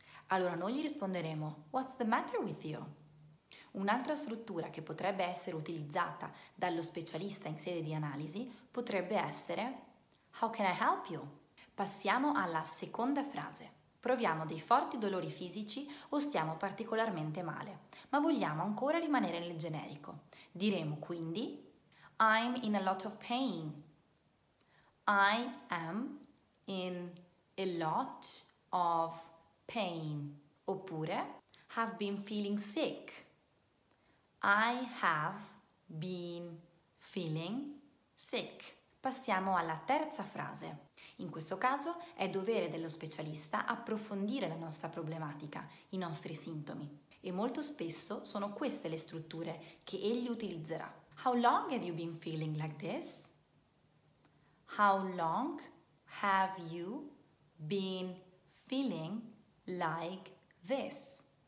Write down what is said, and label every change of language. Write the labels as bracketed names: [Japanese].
[Italian] Allora noi gli risponderemo What's the matter with you? Un'altra struttura che potrebbe essere utilizzata dallo specialista in sede di analisi potrebbe essere How can I help you? Passiamo alla seconda frase. Proviamo dei forti dolori fisici o stiamo particolarmente male, ma vogliamo ancora rimanere nel generico. Diremo quindi I'm in a lot of pain. [English] I am in a lot of pain, oppure have been feeling sick. I have been feeling sick. [Italian] Passiamo alla terza frase. In questo caso è dovere dello specialista approfondire la nostra problematica, i nostri sintomi. E molto spesso sono queste le strutture che egli utilizzerà. [English] How long have you been feeling like this? How long have you been feeling like this?